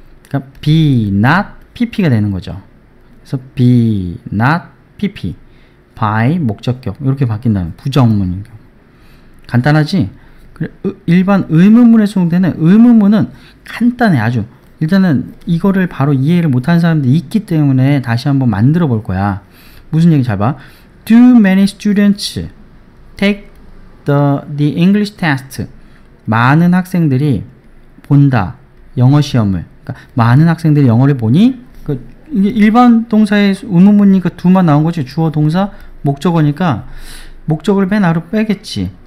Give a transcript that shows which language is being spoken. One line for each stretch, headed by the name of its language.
Korean: 그러니까 be not pp가 되는 거죠. 그래서 be not pp by 목적격 이렇게 바뀐다는 부정문인 경우. 간단하지? 일반 의문문의 수동태는 의문문은 간단해 아주. 일단은 이거를 바로 이해를 못하는 사람들이 있기 때문에 다시 한번 만들어 볼 거야. 무슨 얘기 잘 봐.
English: Do many students take the English test?
Korean: 많은 학생들이 본다. 영어 시험을. 그러니까 많은 학생들이 영어를 보니? 일반 동사의 의문문이니까 두만 나온 거지. 주어 동사 목적어니까 목적을 맨 앞으로 빼겠지.